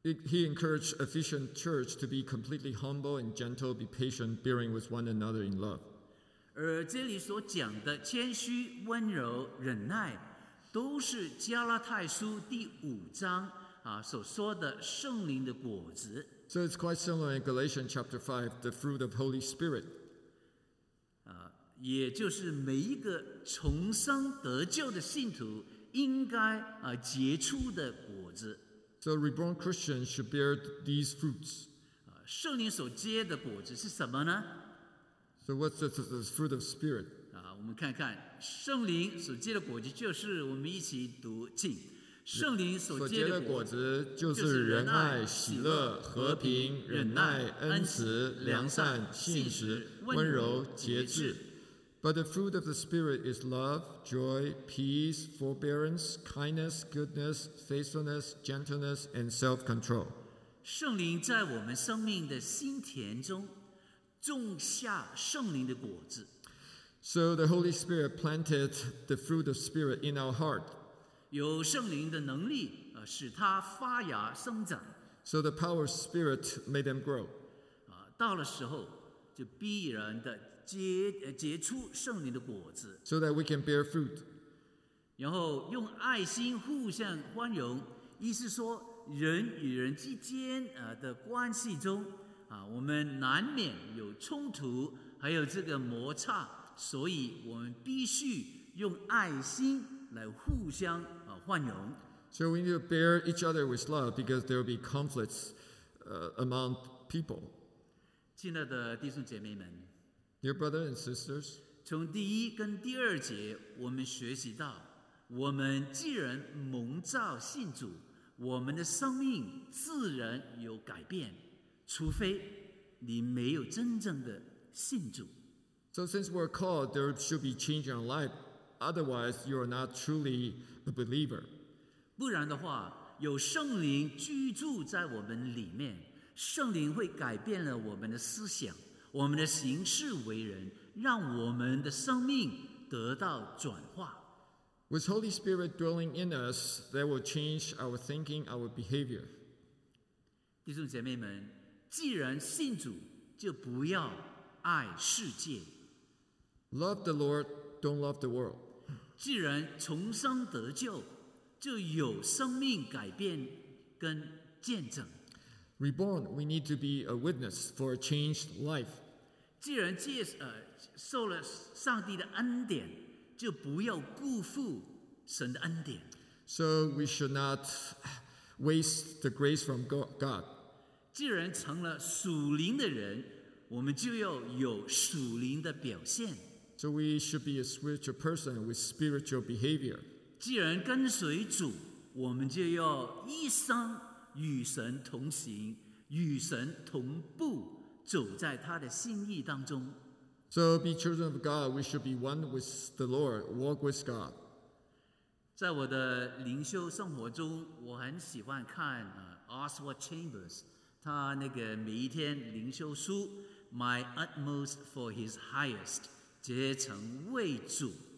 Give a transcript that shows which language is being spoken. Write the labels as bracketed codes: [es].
[en] He encouraged Ephesian church to be completely humble and gentle, be patient, bearing with one another in love. [zh] 而这里所讲的谦虚、温柔、忍耐，都是加拉太书第五章所说的圣灵的果子。 [en] So it's quite similar in Galatians chapter 5, the fruit of Holy Spirit. [zh] 也就是每一个重生得救的信徒应该结出的果子。 [en] So reborn Christians should bear these fruits. [zh] 圣灵所结的果子是什么呢？ [en] So what's the fruit of Spirit? [zh] 我们看看圣灵所结的果子，就是我们一起读进。圣灵所结的果子就是仁爱、喜乐、和平、忍耐、恩慈、良善、信实、温柔、节制。 [en] But the fruit of the Spirit is love, joy, peace, forbearance, kindness, goodness, faithfulness, gentleness, and self-control. [zh] 圣灵在我们生命的心田中种下圣灵的果子。 [en] So the Holy Spirit planted the fruit of Spirit in our heart. [zh] 有圣灵的能力使它发芽生长。 [en] So the power of Spirit made them grow. [zh] 到了时候就必然的 结出圣灵的果子。 [en] So that we can bear fruit. [zh] 然后用爱心互相宽容，意思说人与人之间的关系中我们难免有冲突，还有这个摩擦，所以我们必须用爱心来互相宽容。 [en] So we need to bear each other with love because there will be conflicts among people. [zh] 亲爱的弟兄姐妹们， [en] Dear brothers and sisters, [zh] 从第一跟第二节我们学习到，我们既然蒙召信主，我们的生命自然有改变，除非你没有真正的信主。 [en] So since we're called, there should be change in our life. Otherwise, you are not truly a believer. [zh] 不然的话，有圣灵居住在我们里面，圣灵会改变了我们的思想，我们的行事为人，让我们的生命得到转化。 [en] With Holy Spirit dwelling in us, that will change our thinking, our behavior. [zh] 弟兄姐妹们，既然信主，就不要爱世界。 [en] Love the Lord. Don't love the world. [zh] 既然重生得救，就有生命改变跟见证。 [en] Reborn, we need to be a witness for a changed life. [zh] 既然受了上帝的恩典，就不要辜负神的恩典。 [en] So we should not waste the grace from God. [zh] 既然成了属灵的人，我们就要有属灵的表现。 [en] So we should be a spiritual person with spiritual behavior. [zh] 既然跟随主，我们就要一生与神同行，与神同步，走在他的心意当中。 [en] So be children of God, we should be one with the Lord, walk with God. [zh] 在我的灵修生活中，我很喜欢看Oswald Chambers 他那个每一天灵修书 My Utmost for His Highest 竭诚为主。